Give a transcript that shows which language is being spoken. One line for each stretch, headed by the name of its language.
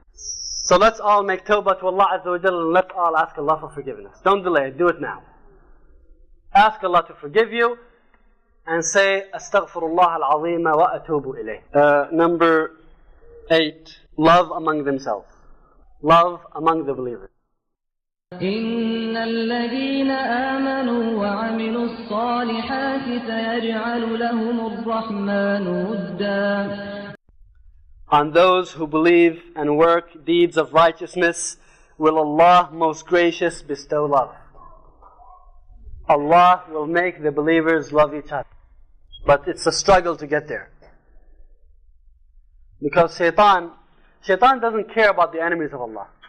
English: So let's all make tawbah to Allah Azza wa Jalla and let's all ask Allah for forgiveness. Don't delay it, do it now. Ask Allah to forgive you and say,
Arabic: Astaghfirullah al-Azim wa atubu ilayh.
English: Number 8, love among themselves. Love among the believers.
Arabic: إن الذين آمنوا وعملوا الصالحات سيجعل لهم الرحمن ودا.
English: On those who believe and work deeds of righteousness, will Allah most gracious bestow love. Allah will make the believers love each other. But it's a struggle to get there. Because Shaitan doesn't care about the enemies of Allah.